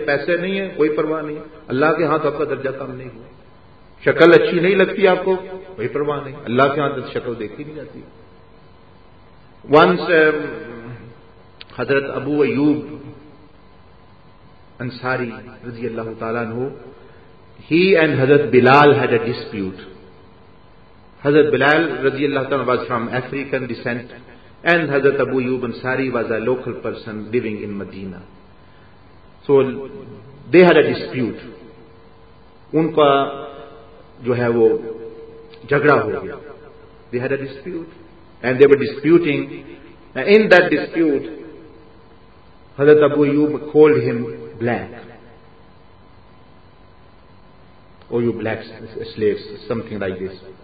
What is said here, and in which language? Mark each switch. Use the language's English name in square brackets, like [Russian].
[Urdu] پیسے نہیں ہیں, کوئی پرواہ نہیں. اللہ کے ہاں تو آپ کا درجہ کم نہیں ہوا. شکل اچھی نہیں لگتی آپ کو, کوئی پرواہ نہیں. اللہ کے ہاں تو شکل دیکھی نہیں جاتی. [English] Once حضرت Abu Ayyub Ansari رضی اللہ تعالیٰ عنہ, he and Hazrat Bilal had a dispute. Hazrat Bilal رضی اللہ تعالیٰ عنہ was from African descent, and Hazrat Abu Ayyub Ansari was a local person living in Medina. So they had a dispute. [Urdu] ان کا جو ہے وہ جھگڑا ہو گیا. [English] They had a dispute and they were disputing. In that dispute, Hazrat Abu Ayyub called him black. Oh, you black slaves, something like this.